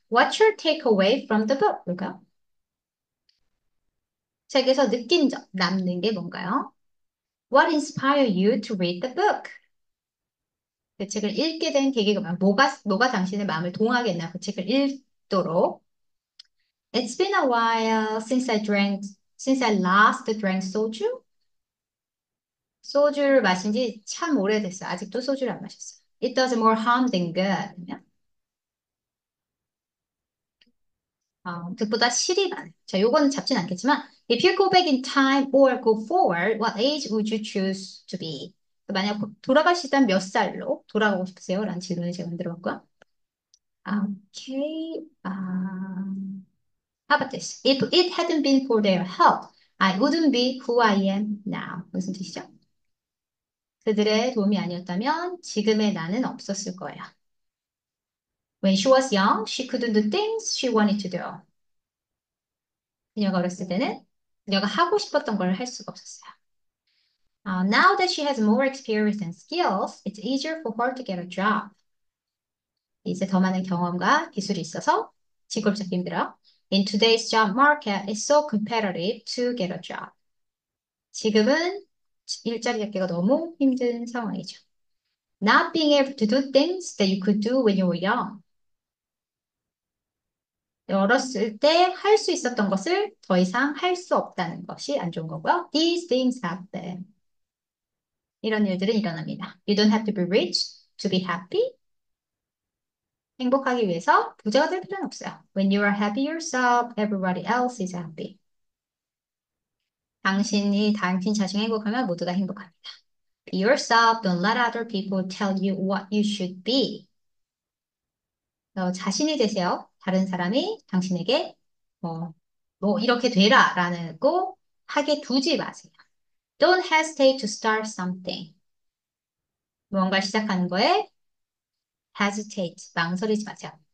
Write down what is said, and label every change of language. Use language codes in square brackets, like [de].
[en] What's your takeaway from the book? [ko] 뭘까요? 책에서 느낀 점, 남는 게 뭔가요? [en] What inspired you to read the book? [ko] 그 책을 읽게 된 계기가 뭐가 당신의 마음을 동하게 했나, 그 책을 읽도록. [en] It's been a while since I last drank soju. [ko] 소주를 마신 지참 오래됐어. 아직도 소주를 안 마셨어. [en] It does more harm than good. [ko] 득보다 실이 많아. 자, 요거는 잡진 않겠지만, [en] If you go back in time or go forward, what age would you choose to be? [ko] 만약 돌아가시다면 몇 살로 돌아가고 싶으세요? 라는 질문을 제가 만들어봤고요. [en] 오케이. How about this? If it hadn't been for their help, I wouldn't be who I am now. [ko] 무슨 뜻이죠? 그들의 도움이 아니었다면 지금의 나는 없었을 거예요. [en] When she was young, she couldn't do things she wanted to do. [ko] 그녀가 어렸을 때는 그녀가 하고 싶었던 걸할 수가 없었어요. [en] Now that she has more experience and skills, it's easier for her to get a job. [ko] 이제 더 많은 경험과 기술이 있어서 직업 찾기 힘들어. [en] In today's job market, it's so competitive to get a job. [ko] 지금은 일자리 찾기가 너무 힘든 상황이죠. [en] Not being able to do things that you could do when you were young. [ko] 어렸을 때할수 있었던 것을 더 이상 할수 없다는 것이 안 좋은 거고요. [en] These things happen. [ko] 이런 일들은 일어납니다. [en] You don't have to be rich to be happy. [ko] 행복하기 위해서 부자가 될 필요는 없어요. [en] When you are happy yourself, everybody else is happy. [ko] 당신이 당신 자신이 행복하면 모두 다 행복합니다. [en] Be yourself. Don't let other people tell you what you should be. [ko] 너 자신이 되세요. 다른 사람이 당신에게 뭐 이렇게 되라라는 거 하게 두지 마세요. [en] Don't hesitate to start something. [ko] 뭔가 시작하는 거에 hesitate, 망설이지 마세요.